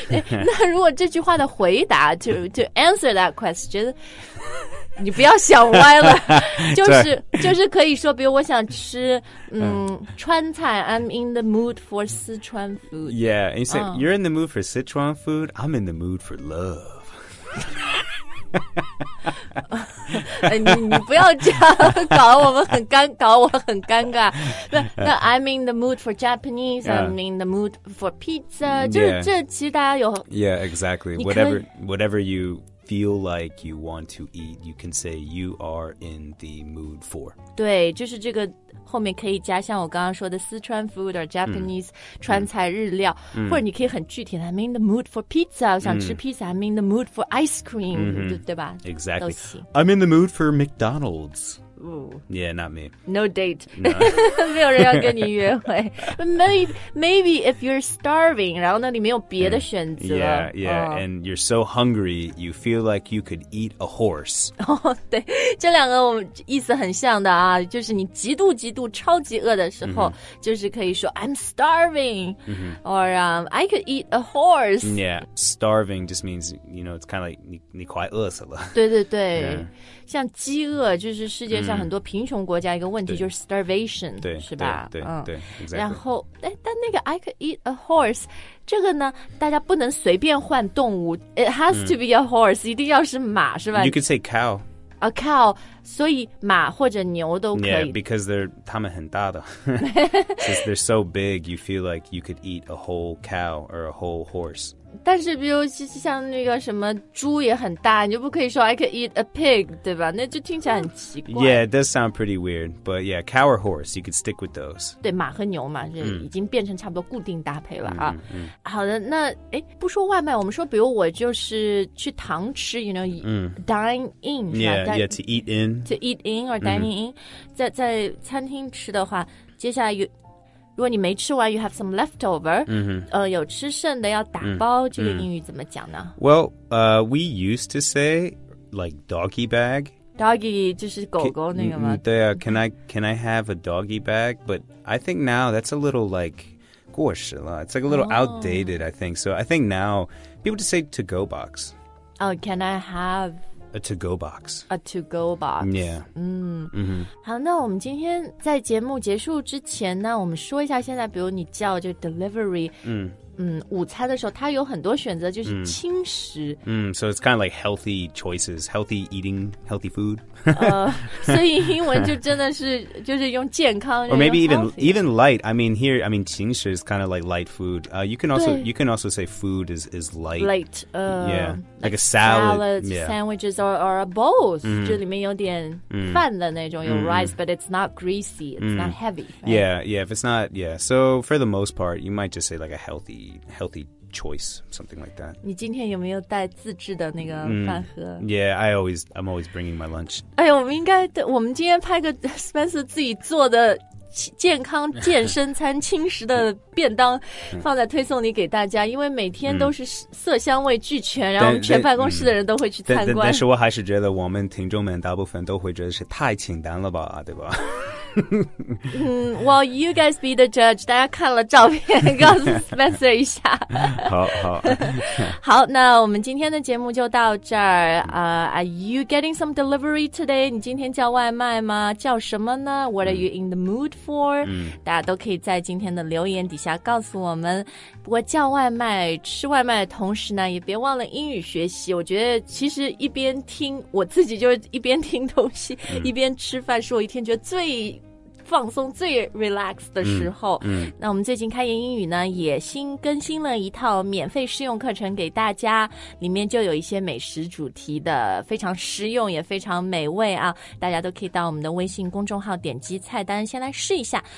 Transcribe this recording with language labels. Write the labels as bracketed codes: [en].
[zh] 那如果这句话的回答 [en] to answer that question, [zh] 你不要想歪了，就是可以说，比如我想吃川菜 ， [en] I'm in the mood for Sichuan food. Yeah, and you say、you're in the mood for Sichuan food. I'm in the mood for love. [zh] 你不要这样搞，我们很尴，搞我很尴尬。 [en] 那 I'm in the mood for Japanese. I'm in the mood for pizza. [zh] 就是这其实大家有 [en] Yeah, exactly. Whatever you. Feel like you want to eat, you can say you are in the mood for. [zh] 对，就是这个后面可以加像我刚刚说的四川 food or Japanese 川菜日料，或者你可以很具体的 [en] I'm in the mood for pizza, [zh] 我想吃 pizza, [en] I'm in the mood for ice cream, [zh] 对吧 [en] Exactly. I'm in the mood for McDonald's. Ooh. Yeah, not me. No date. No. [zh] 没有人要跟你约会 [en] maybe if you're starving, [zh] 然后那里没有别的选择。 [en] Yeah, yeah,and you're so hungry, you feel like you could eat a horse. [zh] 对，这两个意思很像的啊，就是你极度极度超级饿的时候，就是可以说 [en] I'm starving, or I could eat a horse. Yeah, starving just means, you know, it's kind of like [zh] 你快饿死了。对对对。 [en] Yeah. [zh] 像饥饿就是世界上很多贫穷国家一个问题就是 starvation 对是吧对 对、 [en] exactly. [zh] 然后但那个 [en] I could eat a horse [zh] 这个呢大家不能随便换动物 [en] It has to be a horse [zh] 一定要是马是吧 [en] You could say cow A cow [zh] 所以马或者牛都可以 [en] Yeah because they're [zh] 他们很大的 [en] Since they're so big you feel like you could eat a whole cow or a whole horse [zh] 但是比如像那个什么猪也很大你就不可以说 [en] I could eat a pig [zh] 对吧那就听起来很奇怪 [en] Yeah it does sound pretty weird But yeah cow or horse You could stick with those [zh] 对马和牛嘛是已经变成差不多固定搭配了啊。好的那诶不说外卖我们说比如我就是去堂吃 [en] You know dine in Yeah to eat in To eat in or dining in [zh] 在餐厅吃的话接下来有如果你没吃完 [en] you have some leftover, [zh] 有吃剩的要打包,这个英语怎么讲呢? [en] Well, we used to say, like, doggy bag. [zh] Doggy, 就是狗狗那个吗? [en] 对啊, can I have a doggy bag? But I think now that's a little, like, [zh] 过时了 [en] It's like a little outdated, I think. So I think now, people just say to-go box. Oh, can I have... A to-go box. A to-go box. Yeah. [zh] 好，那我们今天在节目结束之前呢，我们说一下现在，比如你叫就 delivery, 午餐的时候，它有很多选择，就是轻食。 [en] So it's kind of like healthy choices, healthy eating, healthy food. [zh] 所以英文就真的是就是用健康。 [en] Or maybe even light. I mean, 轻食 is kind of like light food. You can also say food is light. Light. Yeah. Like a salad. Salads,sandwiches, or a bowl. [zh] 这里面有点饭的那种有 [en] rice, but it's not greasy. It's not heavy.、Right? Yeah, if it's not, So for the most part, you might just say like a healthy choice, something like that. [zh] 你今天有没有带自制的那个饭盒? [en] Yeah, I'm always bringing my lunch. [zh] 哎呦，我们今天拍个 Spencer 自己做的健康健身餐轻食的便当放在推送里给大家因为每天都是色香味俱全然后全办公室的人都会去参观但是我还是觉得我们听众们大部分都会觉得是太清淡了吧对吧 [en] well, you guys be the judge. [zh] 大家看了照片，告诉 Spencer 一下。好。好，那我们今天的节目就到这儿。 [en] Are you getting some delivery today? [zh] 你今天叫外卖吗？叫什么呢 [en] ？What are you in the mood for? [zh] 大家都可以在今天的留言底下告诉我们。不过叫外卖、吃外卖的同时呢，也别忘了英语学习。我觉得其实一边听，我自己就是一边听东西，一边吃饭，是我一天觉得最放松最 relax 的时候那我们最近开言英语呢也新更新了一套免费试用课程给大家里面就有一些美食主题的非常实用也非常美味啊大家都可以到我们的微信公众号点击菜单先来试一下